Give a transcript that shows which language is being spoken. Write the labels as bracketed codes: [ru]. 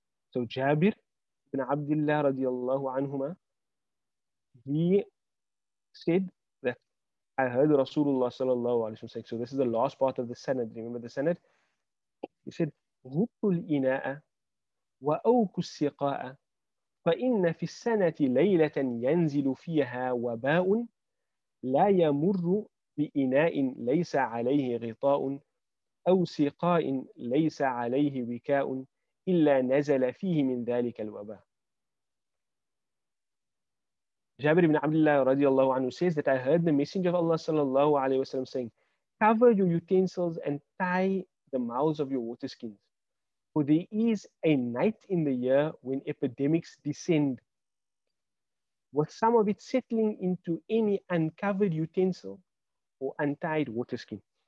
[en] So جابر بن عبد الله [ar] رضي الله عنهما, [en] he said that I heard Rasulullah [ar] صلى الله عليه وسلم [en] say, so this is the last part of the Sanad, remember the Sanad? He said, [ar] غطوا الإناء وأوكوا السقاء فإن في السنة ليلة ينزل فيها وباء لا يمر بإناء ليس عليه غطاء أو سقاء ليس عليه وكاء إلا نزل فيه من ذلك الوباء. [en] Jabir ibn Abdullah radiallahu anhu says that I heard the Messenger of Allah sallallahu alayhi wasallam saying, cover your utensils and tie the mouths of your water skins, for there is a night in the year when epidemics descend, with some of it settling into any uncovered utensil or untied water skin.